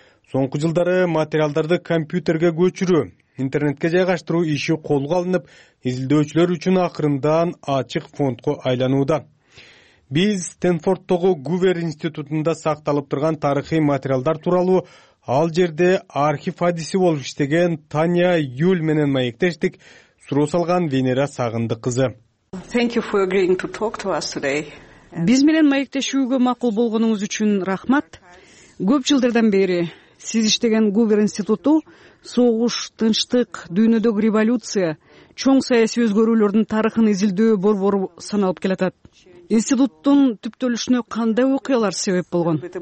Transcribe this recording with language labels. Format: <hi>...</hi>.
<ky>Соңку жылдары материалдарды компьютерге көчүрүү, интернетке жайгаштыруу иши колго алынып, изилдөөчүлөр үчүн акырындан ачык фондко айланууда. Биз Стэнфордтогу Гувер институтунда сакталып турган тарыхый материалдар тууралуу ал жерде архив адиси болуп иштеген Таня Юль менен маектештик, суроо салган Венера Сагындык кызы.</ky> <en>Thank you for agreeing to talk to us today.</en> <ky>Биз менен маектешүүгө макул болгонуңуз үчүн рахмат. Көп жылдардан бери сиз иштеген Гувер институту согуш, тынчтык, дүйнөдөгү революция, чоң саясий өзгөрүүлөрдүн тарыхын изилдөө борбору саналып келатат. Институттун түптөлүшүнө кандай окуялар себеп болгон?</ky>